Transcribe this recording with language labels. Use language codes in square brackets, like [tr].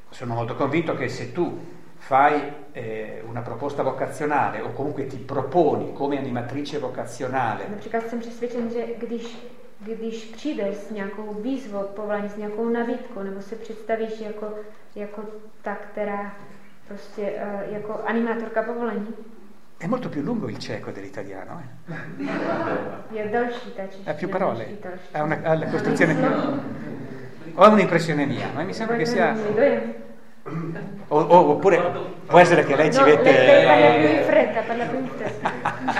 [it] Sono molto convinto che se tu fai una proposta vocazionale o comunque ti proponi come animatrice vocazionale. [cs] Například jsem přesvědčen, že když přijdeš s nějakou výzvou, povolání, s nějakou nabídkou, nebo se představíš jako ta, která prostě jako animátorka povolání. [it] È molto più lungo il cieco dell'italiano, eh? [cs] Je další ta čeština. [it] Ha più parole. Ha una costruzione. Ho un'impressione mia, ma mi sembra che sia. Oppure può essere che lei ci mette. Parla più in fretta.